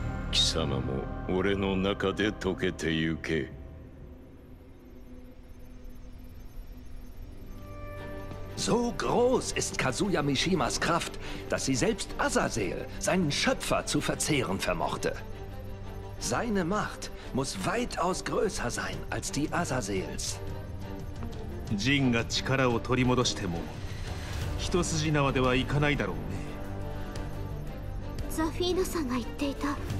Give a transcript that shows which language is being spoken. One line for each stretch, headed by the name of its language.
Japanese: 貴様も俺の中で溶けてゆけ。
German: So groß ist Kazuya Mishimas Kraft, dass sie selbst Azazel, seinen Schöpfer, zu verzehren vermochte. Seine Macht muss weitaus größer sein als die Azazels.
Japanese: Jin が力を取り戻しても一筋縄ではいかないだろうね。ザフィーナさんが言っていた。